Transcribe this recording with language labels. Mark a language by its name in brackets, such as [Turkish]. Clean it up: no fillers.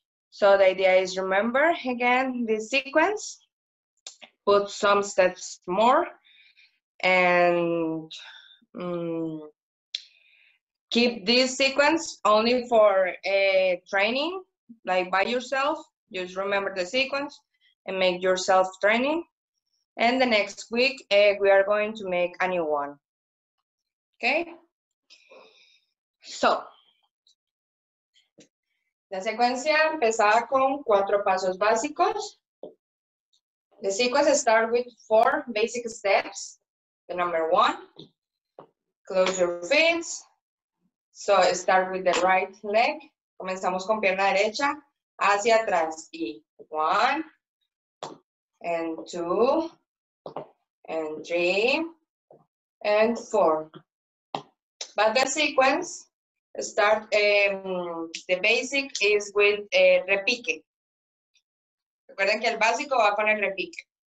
[English] So, the idea is remember again this sequence, put some steps more, and keep this sequence only for training, like by yourself. Just remember the sequence and make yourself training. And the next week, we are going to make a new one. Okay? [Spanish] So, la secuencia empezaba con cuatro pasos básicos. [English] The sequence starts with four basic steps. The number one, close your feet. So, start with the right leg. [Spanish] Comenzamos con pierna derecha, hacia atrás. [English] Y one, and two, and three, and four. But the sequence, start, the basic is with repique. [Spanish] Recuerden que el básico va con el repique.